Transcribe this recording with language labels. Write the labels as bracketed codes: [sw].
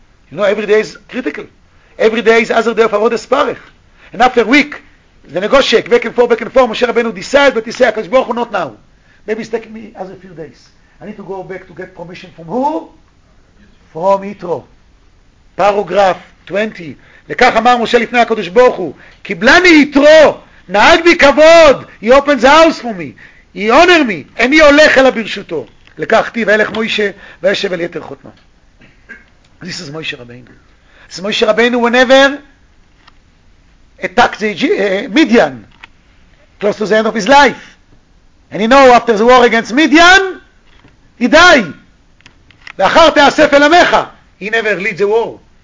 [en] You know, every day is critical. Every day is other day of Avodas Parech. And after a week, the negotiate, back and forth, Moshe Rabbeinu decide, but he say, HaKadosh Baruch Hu, not now. Maybe it's taking me as a few days. I need to go back to get permission from who? From Yitro. Paragraph 20. [he] לכך אמר משה לפני הקדוש ברוך הוא, קיבלני יתרו, נהג בי כבוד, [en] he opens the house for me, he honor me, and he [he] הולך אלא ברשותו. לכך תיב, הלך מוישה, וישב אל יתר חותנו. [en] This is מוישה רבינו. This is מוישה רבינו whenever attacked the Midian, close to the end of his life. And you know, after the war against Midian, he died. [he] לאחר תאסף אל עמך, [en] he never leads the war.